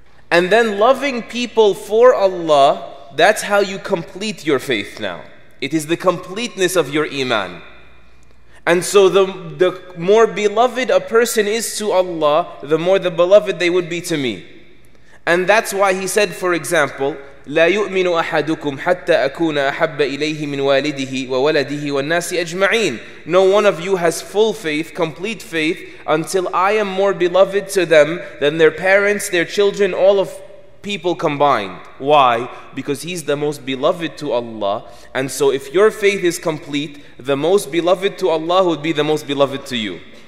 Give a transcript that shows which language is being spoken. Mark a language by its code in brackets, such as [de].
[en] And then loving people for Allah, that's how you complete your faith now. It is the completeness of your iman. And so the more beloved a person is to Allah, the more the beloved they would be to me. And that's why he said, for example, [ar] لا يؤمن أحدكم حتى أكون أحب إليه من والده وولده والناس أجمعين. [en] No one of you has full faith, complete faith, until I am more beloved to them than their parents, their children, all of people combined. Why? Because he's the most beloved to Allah. And so if your faith is complete, the most beloved to Allah would be the most beloved to you.